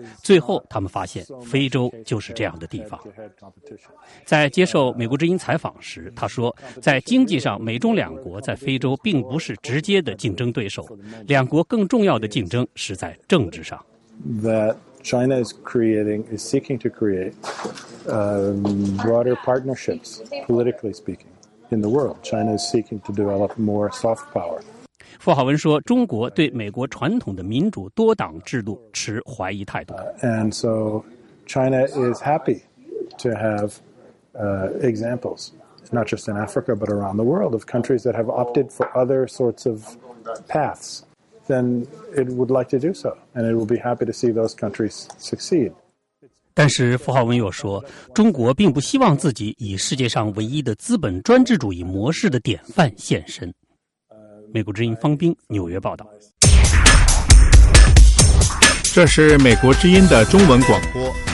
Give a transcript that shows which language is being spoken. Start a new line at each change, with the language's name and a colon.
Chinese: 最后他们发现非洲就是这样的地方。在接受美国之音采访时，他说，在经济上，美中两国在非洲并不是直接的竞争对手，两国更重要的竞争是在政治上。
English: That China is seeking to create broader partnerships, politically speaking, in the world. China is seeking to develop more soft power.
Chinese: 傅浩文说，中国对美国传统的民主多党制度持怀疑态度。
English: And so China is happy to have examples, not just in Africa, but around the world, of countries that have opted for other sorts of paths. Then it would like to do so, and it will be happy to see those countries succeed.
Chinese: 但是傅浩文又说，中国并不希望自己以世界上唯一的资本专制主义模式的典范现身。美国之音方冰，纽约报道。这是美国之音的中文广播。